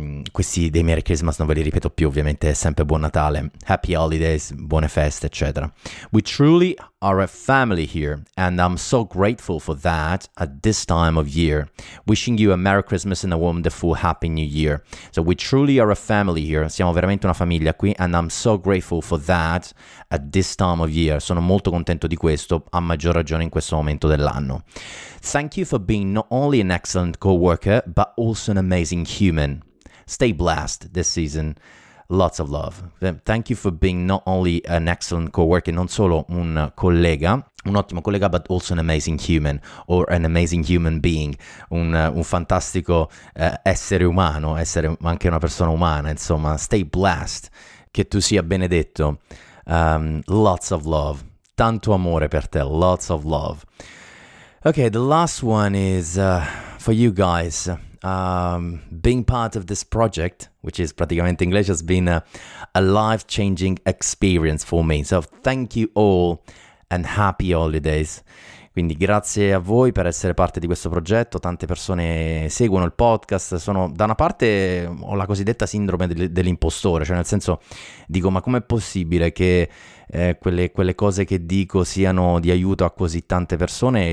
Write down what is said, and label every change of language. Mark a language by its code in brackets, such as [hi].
[it] Questi dei Merry Christmas non ve li ripeto più, ovviamente è sempre Buon Natale, Happy Holidays, buone feste, eccetera. [en] We truly are a family here and I'm so grateful for that at this time of year. Wishing you a Merry Christmas and a wonderful Happy New Year. So we truly are a family here, [it] siamo veramente una famiglia qui, [en] and I'm so grateful for that at this time of year. [it] Sono molto contento di questo, a maggior ragione in questo momento dell'anno. [en] Thank you for being not only an excellent co-worker, but also an amazing human. Stay blessed this season. Lots of love. Thank you for being not only an excellent co-worker, [it] non solo un collega, un ottimo collega, [en] but also an amazing human, or an amazing human being, [it] un fantastico essere umano, essere anche una persona umana, insomma. [en] Stay blessed. [it] Che tu sia benedetto. [en] Lots of love. [it] Tanto amore per te. [en] Lots of love. Okay, the last one is for you guys. Being part of this project, which is praticamente English, has been a life-changing experience for me. So thank you all and happy holidays. [it] Quindi grazie a voi per essere parte di questo progetto. Tante persone seguono il podcast. Sono, da una parte, ho la cosiddetta sindrome dell'impostore, cioè nel senso dico, ma com'è possibile che quelle cose che dico siano di aiuto a così tante persone?